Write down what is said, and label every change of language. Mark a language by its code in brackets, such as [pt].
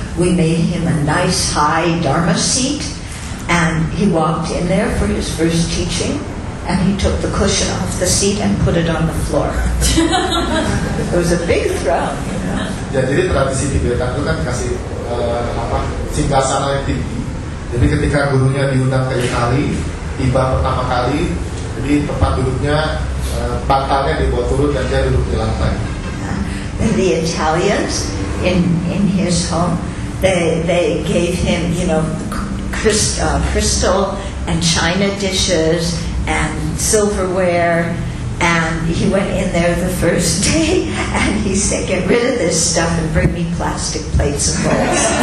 [en] we made him a nice high Dharma seat, and he walked in there for his first teaching, and he took the cushion off the seat and put it on the floor. It was a big throne, you know. [id] Ya, jadi tradisi di Belanda itu kan dikasih singgasana yang tinggi. Jadi ketika gurunya diundang ke Italia, tiba pertama kali, jadi tempat duduknya bantalnya dibuat turun dan dia duduk di lantai. [en] The Italians in his home, they gave him, you know, crystal and china dishes and silverware, and he went in there the first day and he said, get rid of this stuff and bring me plastic plates and bowls.